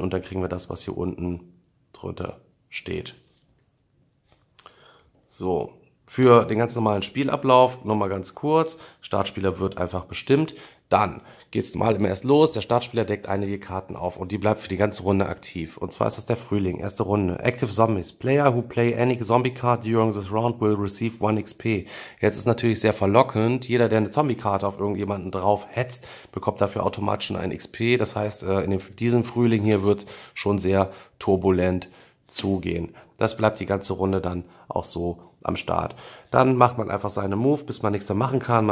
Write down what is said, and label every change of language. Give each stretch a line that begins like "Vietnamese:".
German: Und dann kriegen wir das, was hier unten drunter steht. So. Für den ganz normalen Spielablauf nochmal ganz kurz. Startspieler wird einfach bestimmt. Dann geht es mal immer erst los. Der Startspieler deckt einige Karten auf und die bleibt für die ganze Runde aktiv. Und zwar ist das der Frühling. Erste Runde. Active Zombies.
English: Player who play any Zombie Card during this round will receive 1 XP.
German: Jetzt ist natürlich sehr verlockend. Jeder, der eine Zombie Karte auf irgendjemanden drauf hetzt, bekommt dafür automatisch schon ein XP. Das heißt, diesem Frühling hier wird es schon sehr turbulent zugehen. Das bleibt die ganze Runde dann auch so am Start. Dann macht man einfach seine Move, bis man nichts mehr machen kann.